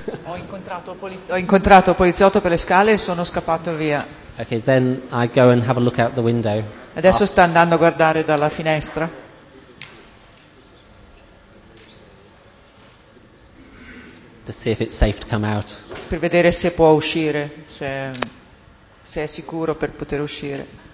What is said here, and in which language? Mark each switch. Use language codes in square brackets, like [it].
[it] ho incontrato il poliziotto per le scale e sono scappato via. [en] Okay, then I go and have a look out the window. [it] Adesso sta andando a guardare dalla finestra. [en] To see if it's safe to come out. [it] Per vedere se può uscire, se è sicuro per poter uscire.